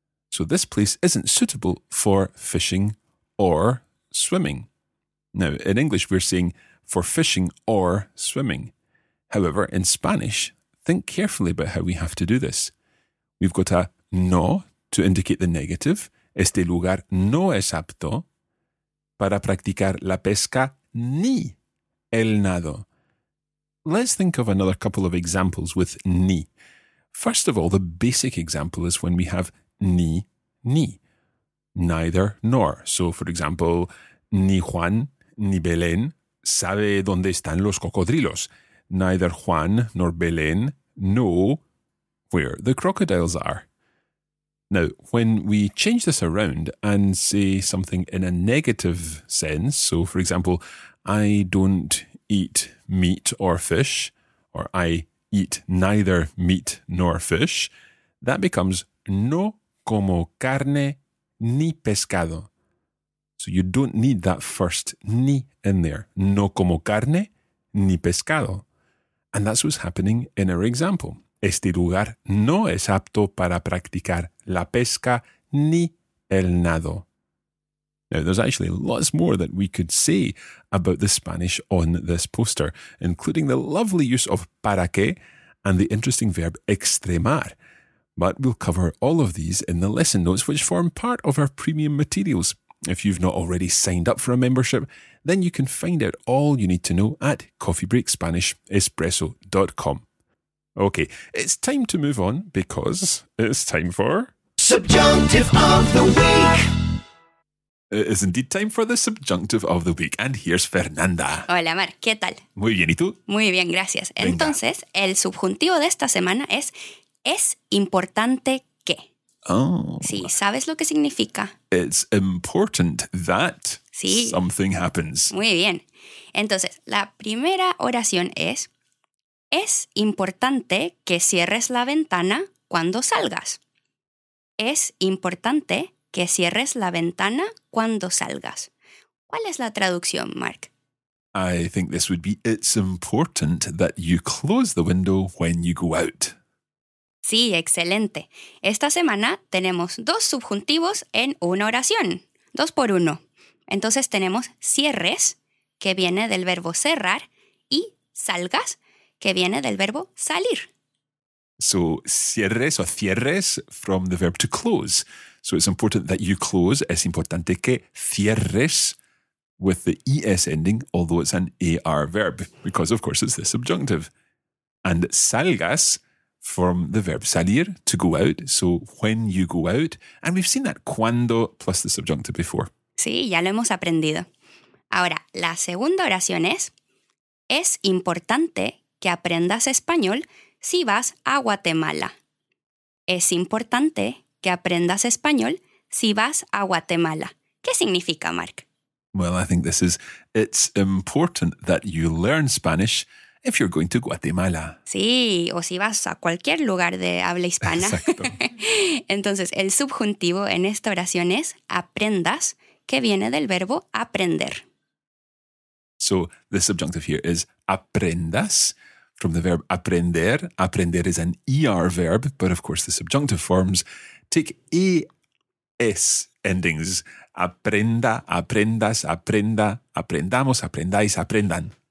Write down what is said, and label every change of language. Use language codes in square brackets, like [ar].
[en] So this place isn't suitable for fishing or swimming. Now, in English, we're saying for fishing or swimming. However, in Spanish, think carefully about how we have to do this. We've got a no to indicate the negative. [es] Este lugar no es apto para practicar la pesca ni el nado. [en] Let's think of another couple of examples with ni. First of all, the basic example is when we have ni, ni. Neither nor. [es] So, for example, ni Juan ni Belén sabe dónde están los cocodrilos. [en] Neither Juan nor Belén know where the crocodiles are. Now, when we change this around and say something in a negative sense, so for example, I don't eat meat or fish, or I eat neither meat nor fish, that becomes [es] no como carne ni pescado. [en] So you don't need that first ni in there. [es] No como carne ni pescado. [en] And that's what's happening in our example. [es] Este lugar no es apto para practicar la pesca ni el nado. [en] Now, there's actually lots more that we could say about the Spanish on this poster, including the lovely use of para qué and the interesting verb extremar. But we'll cover all of these in the lesson notes, which form part of our premium materials. If you've not already signed up for a membership, then you can find out all you need to know at coffeebreakspanishespresso.com. Okay, it's time to move on because it's time for... Subjunctive of the Week! It is indeed time for the subjunctive of the week. And here's Fernanda. [es] Hola, Mar. ¿Qué tal? Muy bien, ¿y tú? Muy bien, gracias. Venga. Entonces, el subjuntivo de esta semana es importante que. Oh. Sí, ¿sabes lo que significa? [en] It's important that [es] sí. [en] Something happens. [es] Muy bien. Entonces, la primera oración es importante que cierres la ventana cuando salgas. Es importante que cierres la ventana cuando salgas. ¿Cuál es la traducción, Mark? [en] I think this would be, it's important that you close the window when you go out. [es] Sí, excelente. Esta semana tenemos dos subjuntivos en una oración, dos por uno. Entonces tenemos cierres, que viene del verbo cerrar, y salgas, que viene del verbo salir. [en] So, cierres o cierres from the verb to close. So it's important that you close. [es] Es importante que cierres [en] with the ES ending, although it's an AR verb, because of course it's the subjunctive. And salgas from the verb salir, to go out. So when you go out. And we've seen that cuando plus the subjunctive before. [es] Sí, ya lo hemos aprendido. Ahora, la segunda oración es importante que aprendas español si vas a Guatemala. Es importante que aprendas español si vas a Guatemala. ¿Qué significa, Mark? [en] Well, I think this is, it's important that you learn Spanish if you're going to Guatemala. [es] Sí, o si vas a cualquier lugar de habla hispana. Exacto. Entonces, el subjuntivo en esta oración es aprendas, que viene del verbo aprender. [en] So, the subjunctive here is aprendas. From the verb aprender, aprender is an ER verb, but of course the subjunctive forms take ES endings. [es] Aprenda, aprendas, aprenda, aprendamos, aprendáis, aprendan.